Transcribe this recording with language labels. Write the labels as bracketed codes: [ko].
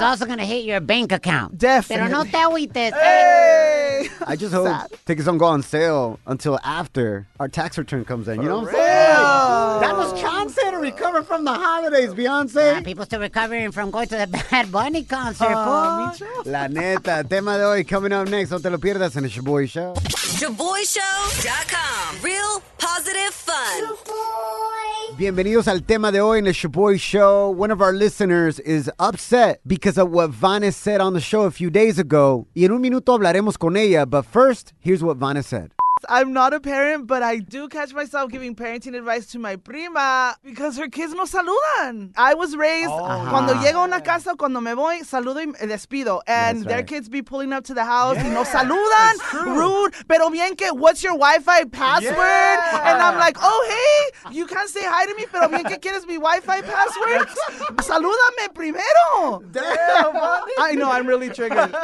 [en] She's also going to hit your bank account. Definitely. [es] Pero no te agüites. [en] I just hope tickets don't go on sale until after our tax return comes in. You know what I'm saying? That was chance to recover from the holidays, Beyonce. Yeah, people still recovering from going to the Bad Bunny concert, [es] La neta, tema de hoy [en] coming up next. [es] No te lo pierdas en el Shaboy Show. [en] ShaboyShow.com. Real positive fun. [es] Bienvenidos al tema de hoy in the Shaboy Show. [en] One of our listeners is upset because of what Vanes said on the show a few days ago. [es] Y en un minuto hablaremos con ella, [en] but first, here's what Vanes said. I'm not a parent, but I do catch myself giving parenting advice to my prima because her kids [es] no saludan. [en] I was raised, [es] cuando llego a una casa, cuando me voy, saludo y me despido. [en] And right. their kids be pulling up to the house and [es] no saludan. [en] Rude. [es] Pero bien que, [en] what's your Wi-Fi password? Yeah. And I'm like, oh, hey, you can't say hi to me, [es] pero bien que quieres mi [en] Wi-Fi password? [es] Salúdame primero. [en] Damn. I know, I'm really triggered.